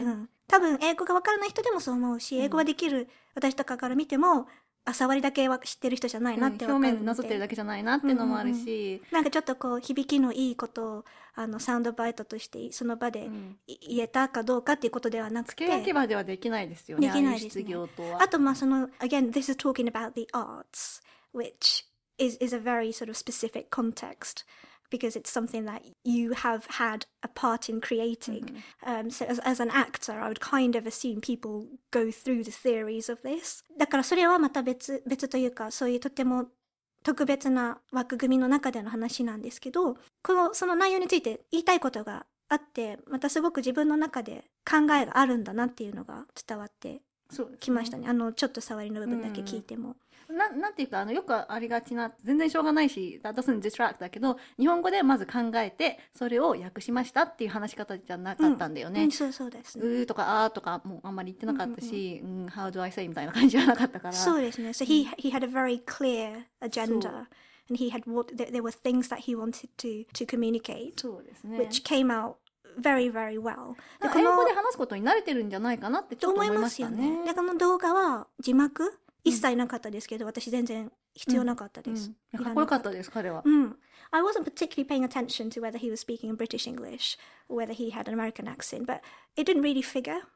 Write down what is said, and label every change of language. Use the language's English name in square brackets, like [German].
[Japanese] うん、多分英語がわからない人でもそう思うし、英語ができる私とかから見ても、うん、あ、触りだけは知ってる人じゃないなって分かるんで、うん、表面なぞってるだけじゃないなっていうのもあるし、うんうん、なんかちょっとこう響きのいいことを、あの、サウンドバイトとしてその場で、うん、言えたかどうかっていうことではなくて、付け焼き場ではできないですよね。できないですね、あの失業とは。あと、まあ、その [English] Again, this is talking about the arts, which is a very sort of specific contextBecause it's something that you have had a part in creating. Mm-hmm. So as an actor, I would kind of assume people go through the theories of this. [Japanese] だからそれはまた別というか、そういうとても特別な枠組みの中での話なんですけど、このその内容について言いたいことがあって、またすごく自分の中で考えがあるんだなっていうのが伝わってきましたね。そうですね。あの、ちょっと触りの部分だけ聞いても。うん、なんていうか、あの、よくありがちな、全然しょうがないし、 [English] that doesn't distract [Japanese] だけど、日本語でまず考えて、それを訳しましたっていう話し方じゃなかったんだよね。うん、そうそうですね。うーとか、あーとか、もうあんまり言ってなかったし、うんうんうん、 [English] how do I say [Japanese] みたいな感じはなかったから。そうですね。 [English] So he had a very clear agenda. And he had what, there were things that he wanted to communicate. [Japanese] そうですね。 [English] Which came out very, very well. [Japanese] で、この英語で話すことに慣れてるんじゃないかなってちょっと思いましたね。思いますよね。で、この動画は字幕一切なかったですけど、うん、私全然必要なかったです、うん、かっこよかったです、彼は、 [English] うん、I wasn't particularly paying attention to whether he was speaking in British English or whether he had an American accent, but it didn't really figure.